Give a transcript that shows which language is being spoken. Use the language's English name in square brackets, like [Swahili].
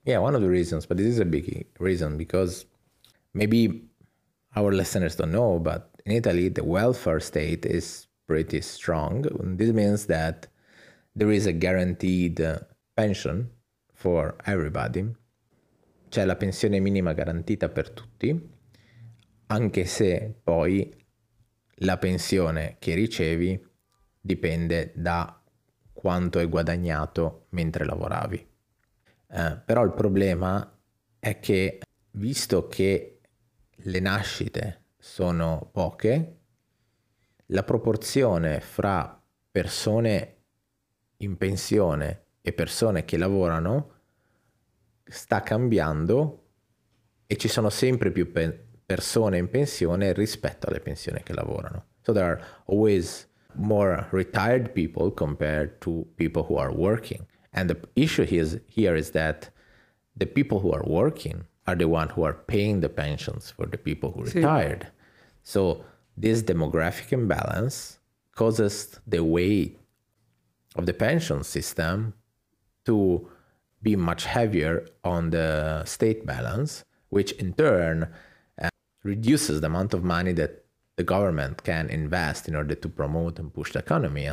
[English] Yeah, one of the reasons. But this is a big reason because maybe our listeners don't know, but in Italy, the welfare state is pretty strong. This means that there is a guaranteed pension for everybody. [Italian] C'è la pensione minima garantita per tutti, anche se poi la pensione che ricevi dipende da quanto hai guadagnato mentre lavoravi. Però il problema è che, visto che le nascite sono poche, la proporzione fra persone in pensione e persone che lavorano sta cambiando e ci sono sempre più persone in pensione rispetto alle pensioni che lavorano. [English] So there are always more retired people compared to people who are working. And the issue here is that the people who are working are the ones who are paying the pensions for the people who retired. Sì. So this demographic imbalance causes the weight of the pension system to be much heavier on the state balance, which in turn reduces the amount of money that the government can invest in order to promote and push the economy.